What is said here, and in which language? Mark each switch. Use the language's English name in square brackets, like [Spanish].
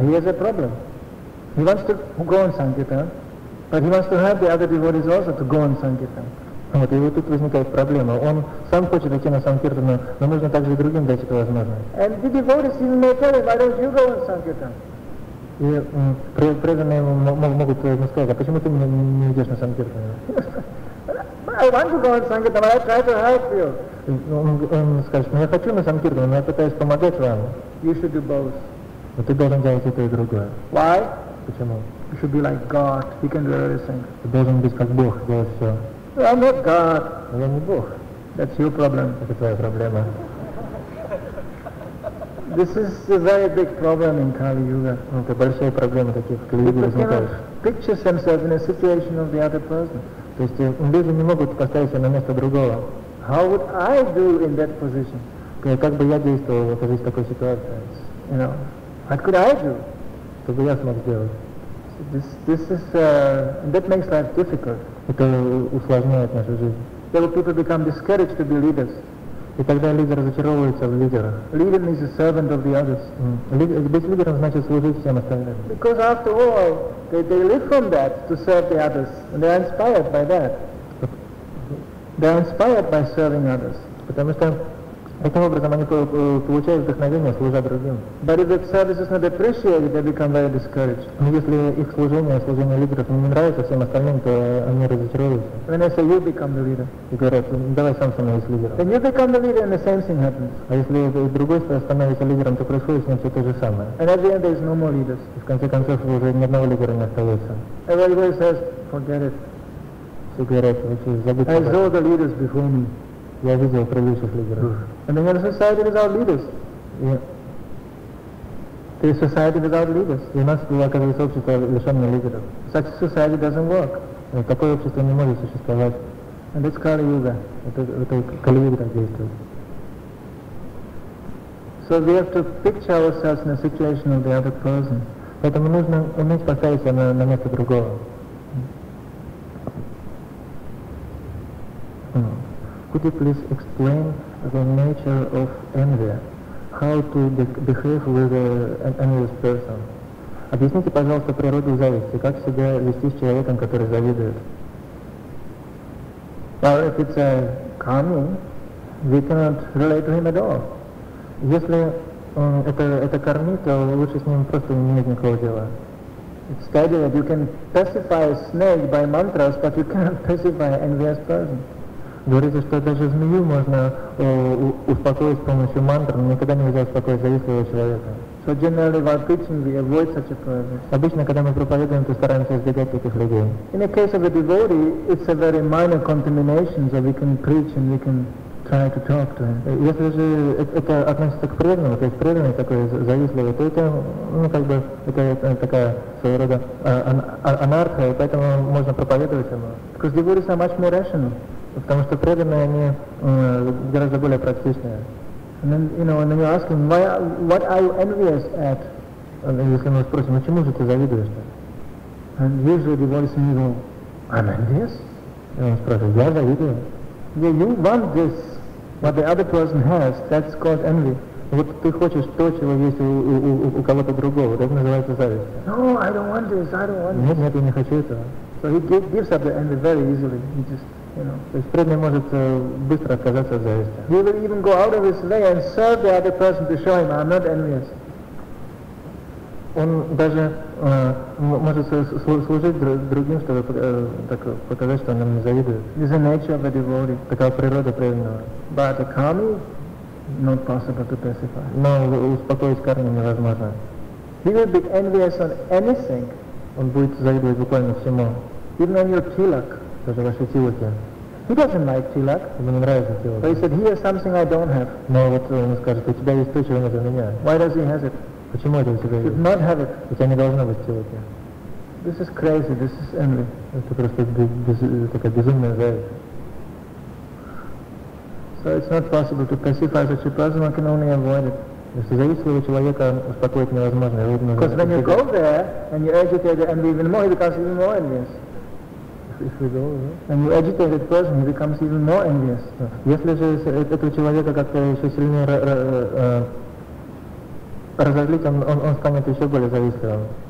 [English] No, he has a problem. He wants to go on Sankirtan, but he wants to have the other devotees also to go on Sankirtan. [Russian] Вот, и вот тут возникает проблема. Он сам хочет идти на Санкиртану, но нужно также и другим дать эту возможность. [English] And the devotees may tell him, why don't you go on Sankirtan? [Russian] И преданные могут сказать, а почему ты не идешь на Санкиртану? [English] I want to go on Sankirtan, but I try to help you. [Russian] Он скажет, ну я хочу на Санкиртану, но я пытаюсь помогать вам. [English] You should do both. [Russian] Но ты должен делать это и другое. [English] Why? [Russian] Почему? [English] You should be like God, he can do everything. [Russian] Ты должен быть как Бог, делать все. [English] I'm not God. [Russian] Я не Бог. [English] That's your problem. [Russian] Это твоя проблема. [English] This is a very big problem in Kali Yuga. [Russian] Это большая проблема таких Kali Yuga возникает. [English] Picture themselves in a situation of the other person. [Russian] То есть люди не могут поставить себя на место другого. [English] How would I do in that position? [Russian] Как бы я действовал, окажись в такой ситуации? [English] You know, what could I do? [Russian] Что бы я смог сделать? [English] That makes life difficult. [Russian] Это усложняет нашу жизнь. [English] There will people become discouraged to be leaders. [Russian] И тогда лидер разочаровывается в лидера. [English] Leader is a servant of the others. [Russian] Быть лидером значит служить всем остальным. [English] Because after all, they live from that to serve the others, and they are inspired by that. They are inspired by serving others. [Russian] Потому что таким образом они получают вдохновение, служа другим. [English] But if the service is not appreciated, they become very discouraged. [Russian] Но если их служение лидеров не нравится всем остальным, то они разочаровываются. [English] When I say you become the leader. [Russian] И говорят, давай сам становись лидером. [English] Then you become the leader and the same thing happens. [Russian] А если другой становится лидером, то происходит с ним все то же самое. [English] And at the end there is no more leaders. [Russian] И в конце концов уже ни одного лидера не остается. [English] Everybody says, forget it. [Russian] Все говорят, вообще забудь об этом. [English] I saw the leaders before me. [Russian] Я видел предыдущих лидеров. [English] And then the society without leaders. Yeah. The society without leaders. [Russian] И у нас оказывается общество лишённое лидеров. [English] Such a society doesn't work. [Russian] Такое общество не может существовать. [English] And it's Kali-Yuga. [Russian] Это Kali-Yuga так действует. [English] So we have to picture ourselves in the situation of the other person. [Russian] Поэтому нужно уметь поставить себя на место другого. [English] Could you please explain the nature of envy? How to behave with an envious person? [Russian] Объясните, пожалуйста, природу зависти. Как себя вести с человеком, который завидует? [English] Well, if it's a kami, we cannot relate to him at all. [Russian] Если это карми, то лучше с ним просто не иметь никакого дела. [English] It's stated that you can pacify a snake by mantras, but you cannot pacify an envious person. [Russian] Говорится, что даже змею можно успокоить с помощью мантр, но никогда нельзя успокоить завистливого человека. [English] So generally while preaching we avoid such a person. [Russian] Обычно, когда мы проповедуем, то стараемся избегать таких людей. [English] In the case of a devotee, it's a very minor contamination, so we can preach and we can try to talk to him. [Russian] Если же это относится к преданному, то есть преданный такой завистливый, то это, ну, как бы, это такая своего рода анархия, поэтому можно проповедовать ему. [English] Because devotees are much more rational. [Russian] Потому что преданные, они гораздо более практичные. [English] And then, you know, and then you ask him, what are you envious at? [Russian] Если мы спросим, ну чему же ты завидуешь-то? [English] And usually the voice in me go, I'm envious? [Russian] И он спрашивает, я завидую. [English] Yeah, you want this, what the other person has, that's called envy. [Russian] Вот ты хочешь то, чего есть у кого-то другого, это называется зависть. [English] No, I don't want this, I don't want this. [Russian] Нет, я не хочу этого. [English] So he gives up the envy very easily. He just, you know. [Russian] То есть преданный может быстро отказаться от зависти. [English] He will even go out of his way and serve the other person to show him, I'm not envious. [Russian] Он даже может служить другим, чтобы так показать, что он им не завидует. [English] This is the nature of a devotee. [Russian] Такова природа преданного. [English] But a kami, not possible to pacify. [Russian] Но успокоить карму невозможно. [English] He will be envious on anything. [Russian] Он будет завидовать буквально всему. [English] Even on your tilak. [Russian] Даже ваши тилаки. [English] He doesn't like tilak. [Russian] Ему не нравится тилак. [English] But he said, here is something I don't have. [Russian] Но вот он скажет, у тебя есть то, чего нет у меня. [English] Why does he have it? [Russian] Почему это у тебя есть? [English] Should not have it. [Russian] У тебя не должно быть тилаки. [English] This is crazy, this is envy. [Russian] Это просто такая безумная зависть. [English] So it's not possible to pacify such a person, one can only avoid it. [Russian] Если зависимого человека успокоить невозможно, его нужно... [English] Because when you go there, and you agitate the envy even more, he becomes even more envious. And you agitate that person, he becomes even more envious. [Russian] Если же этого человека как-то еще сильнее разозлить, он станет еще более завистливым.